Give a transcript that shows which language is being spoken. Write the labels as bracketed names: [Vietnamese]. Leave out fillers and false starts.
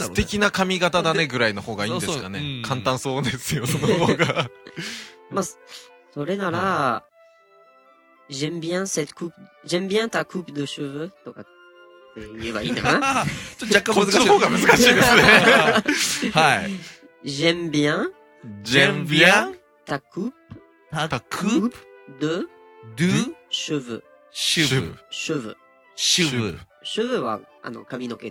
[Japanese] 素敵な髪型だねぐらいの方がいいんですかね。そう、簡単そうですよ、その方が。まあ、それなら、 [French] j'aime bien cette coupe、j'aime bien ta coupe de cheveux [Japanese] とか。言えばいいかな。ちょっと若干難しい。こっちの方が難しいですね。はい。 [French] J'aime bien。 J'aime bien。 ta coupe。 ta coupe。 de cheveux。 cheveux [Japanese] は、髪の毛。